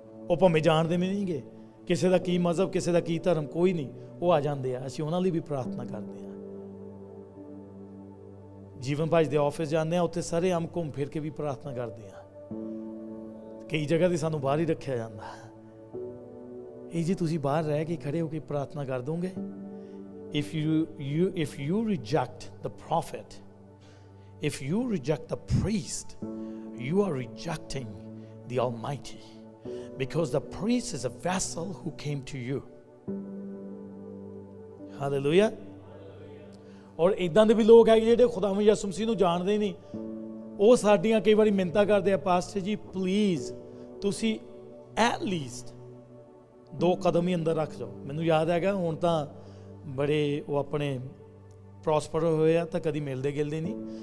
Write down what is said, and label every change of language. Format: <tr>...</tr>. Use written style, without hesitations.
<pa>ਉਹ ਭਾਵੇਂ ਜਾਣਦੇ ਵੀ ਨਹੀਂ ਗੇ ਕਿਸੇ ਦਾ ਕੀ ਮਜ਼ਹਬ, ਕਿਸੇ ਦਾ ਕੀ ਧਰਮ, ਕੋਈ ਨਹੀਂ, ਉਹ ਆ ਜਾਂਦੇ ਆ, ਅਸੀਂ ਉਹਨਾਂ ਲਈ ਵੀ ਪ੍ਰਾਰਥਨਾ ਕਰਦੇ ਹਾਂ। ਜੀਵਨ ਭਾਜ ਦੇ ਆਫਿਸ ਜਾਂਦੇ ਹਾਂ, ਉੱਥੇ ਸਾਰੇ ਆਮ ਘੁੰਮ ਫਿਰ ਕੇ ਵੀ ਪ੍ਰਾਰਥਨਾ ਕਰਦੇ ਹਾਂ। ਕਈ ਜਗ੍ਹਾ 'ਤੇ ਸਾਨੂੰ ਬਾਹਰ ਹੀ ਰੱਖਿਆ ਜਾਂਦਾ। ਇਹ ਜੀ ਤੁਸੀਂ ਬਾਹਰ ਰਹਿ ਕੇ ਖੜ੍ਹੇ ਹੋ ਕੇ ਪ੍ਰਾਰਥਨਾ ਕਰ ਦੋਗੇ?</pa> <en>If you reject the prophet, if you reject the priest, you are rejecting the Almighty, because the priest is a vessel who came to you. Hallelujah.</en> <pa>ਔਰ ਇੱਦਾਂ ਦੇ ਵੀ ਲੋਕ ਹੈਗੇ ਜਿਹੜੇ ਖੁਦਾਵੰਦ ਯਿਸੂ ਮਸੀਹ ਨੂੰ ਜਾਣਦੇ ਨਹੀਂ, ਉਹ ਸਾਡੀਆਂ ਕਈ ਵਾਰੀ ਮਿੰਨਤਾਂ ਕਰਦੇ ਆ, ਪਾਸਟਰ ਜੀ ਪਲੀਜ਼ ਤੁਸੀਂ ਐਟਲੀਸਟ ਦੋ ਕਦਮ ਹੀ ਅੰਦਰ ਰੱਖ ਜਾਓ। ਮੈਨੂੰ ਯਾਦ ਹੈਗਾ ਹੁਣ ਤਾਂ ਬੜੇ ਉਹ ਆਪਣੇ ਪ੍ਰੋਸਪਰ ਹੋਏ ਆ, ਤਾਂ ਕਦੀ ਮਿਲਦੇ ਗਿਲਦੇ ਨਹੀਂ।</pa>